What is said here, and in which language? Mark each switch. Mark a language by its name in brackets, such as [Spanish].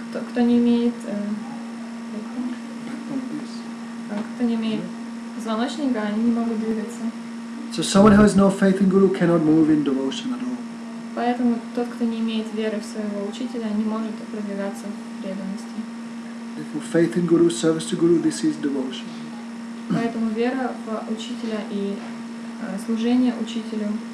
[Russian] Кто не имеет позвоночника, они не могут двигаться. [English] So someone who has no faith in Guru cannot move in devotion at all. [Russian] Поэтому тот, кто не имеет веры в своего учителя, не может продвигаться в преданности. [English] Therefore, faith in Guru, service to Guru, this is devotion. [Russian] Поэтому вера в учителя и служение учителю.